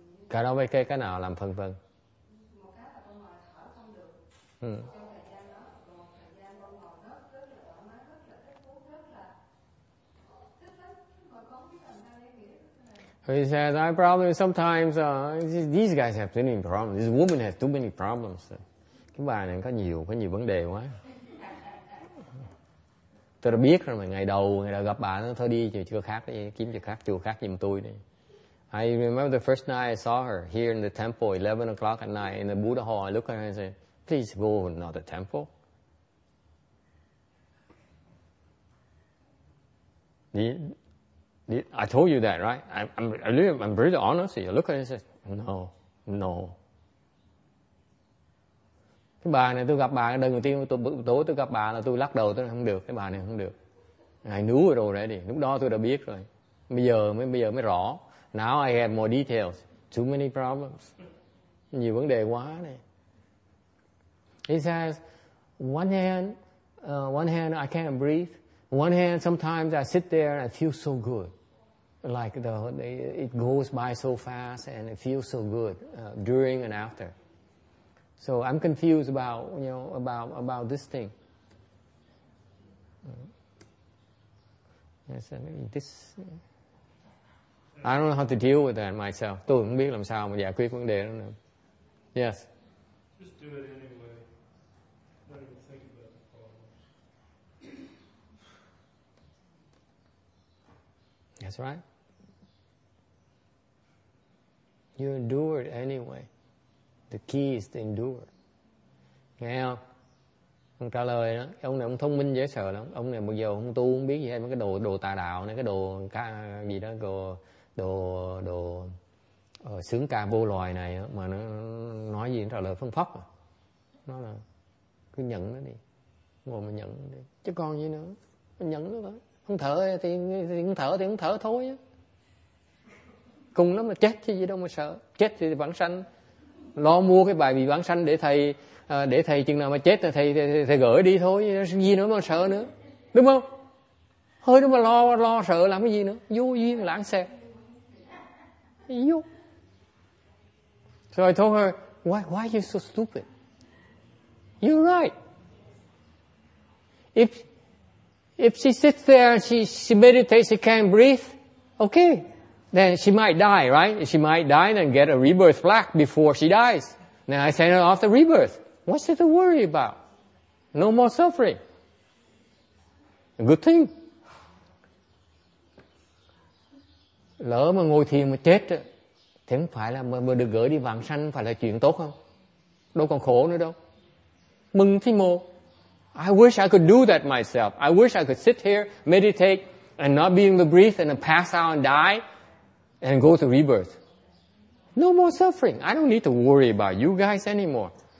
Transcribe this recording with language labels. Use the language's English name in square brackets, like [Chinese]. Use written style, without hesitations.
[Vietnamese] Cái đó mấy cái nào làm phân vân? Một cái là con ngồi thở không được. Trong thời gian đó, một thời gian con ngồi nó rất là thoải mái, rất là thích thú, rất là thích lắm. Mà con biết làm sao để nghĩa. [English] He said, I probably sometimes these guys have too many problems. This woman has too many problems. [Vietnamese] Cái bà này có nhiều vấn đề quá. Tôi đã biết rồi mà ngày đầu gặp bà nó thôi đi chùa khác đi, kiếm chùa khác giùm tôi đi. [English] I remember the first night I saw her here in the temple, 11 o'clock at night in the Buddha hall. I looked at her and said, please go to another temple. I told you that, right? I'm really honest with you. I look at her and said, no. [Vietnamese] Cái bà này tôi gặp bà lần đầu tiên tôi gặp bà là tôi lắc đầu, tôi nói không được, cái bà này không được. [English] I knew it already. [Vietnamese] Lúc đó tôi đã biết rồi. Bây giờ mới rõ. [English] Now I have more details. Too many problems. [Vietnamese] Nhiều vấn đề quá này. [English] He says, one hand I can't breathe. One hand sometimes I sit there and I feel so good. Like it goes by so fast and it feels so good during and after. So I'm confused about this thing. Yes, I mean, this. I don't know how to deal with that myself. [Vietnamese] Tôi không biết làm sao mà giải quyết vấn đề đó nữa. [English] Yes. Just do it anyway. Don't even think about the problems. That's right. You endure it anyway. The key is to endure. [Vietnamese] Nghe không? Ông trả lời đó, ông này ông thông minh dễ sợ lắm. Ông này bây giờ không tu, không biết gì hết, mấy cái đồ tà đạo này, cái đồ ca gì đó, đồ sướng ca vô loài này đó, mà nó nói gì nó trả lời phân phóc à. Nó là cứ nhận nó đi, ngồi mà nhận đi. Chứ còn gì nữa, mình nhận nó thôi. Không thở thì không thở thôi á. Cùng lắm là chết chứ gì đâu mà sợ. Chết thì vãng sanh. Lo mua cái bài vị vãng sanh để thầy chừng nào mà chết thì thầy gửi đi thôi, gì nữa mà sợ nữa, đúng không? Hơi nó mà lo sợ làm cái gì nữa. Vô duyên lãng xẹt. Vô. [English] So I told her, why are you so stupid? You're right. If she sits there and she meditates, she can't breathe, okay. Then she might die, right? If she might die and get a rebirth black before she dies. Then I send her off the rebirth. What's it to worry about? No more suffering. Good thing. [Vietnamese] Lỡ mà ngồi thiền mà chết á, thì không phải là mà được gửi đi vãng sanh phải là chuyện tốt không? Đâu còn khổ nữa đâu. Mừng thì mồ. [English] I wish I could do that myself. I wish I could sit here, meditate, and not be able to breathe, and then pass out and die, and go to rebirth. No more suffering. I don't need to worry about you guys anymore.